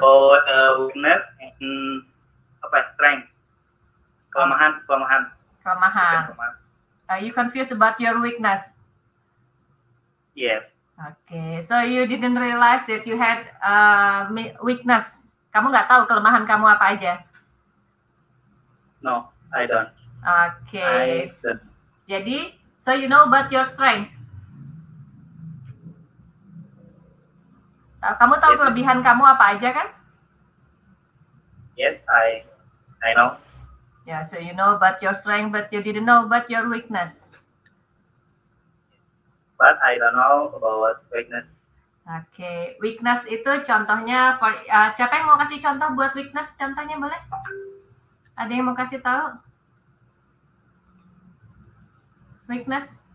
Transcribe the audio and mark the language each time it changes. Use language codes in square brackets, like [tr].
[en] About weakness and apa? Strength. [id] Kelemahan, kelemahan. [en] Kelemahan. Are you confused about your weakness? Yes. Okay. So you didn't realize that you had weakness. [id] Kamu nggak tahu kelemahan kamu apa aja? [en] No, I don't. Okay. I don't. Jadi, so you know about your strength. [id] Kamu tahu yes, kelebihan kamu apa aja kan? [en] Yes, I know. Yeah, so you know about your strength, but you didn't know about your weakness. But I don't know about weakness. [id] Okay, weakness itu contohnya for siapa yang mau kasih contoh buat weakness? Contohnya boleh? Ada yang mau kasih tahu? [en] Weakness?